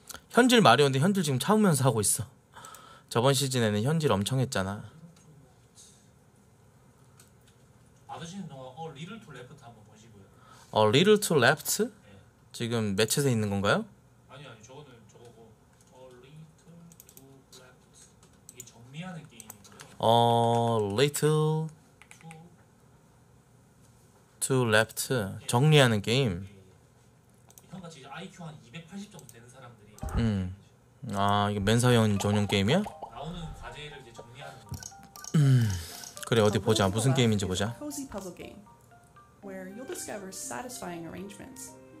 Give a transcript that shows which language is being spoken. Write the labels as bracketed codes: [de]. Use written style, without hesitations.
[ko] 현질 마려운데 현질 지금 참으면서 하고 있어. 저번 시즌에는 현질 엄청 했잖아. 아드신 동화 리틀 투 레프트 한번 보시고요. 리틀 투 레프트? 지금 매체에 있는 건가요? 아니 아니 저거는 저거고 리틀 투 레프트 이게 정미하는 Little to left 정리하는 게임. 형 같이 IQ 한 280 정도 되는 사람들이. 아 이게 멘사형 전용 게임이야? 나오는 과제를 이제 정리하는 거. 그래 어디 보자. 무슨 게임인지 보자. [en] Cozy puzzle game where you'll discover satisfying arrangements.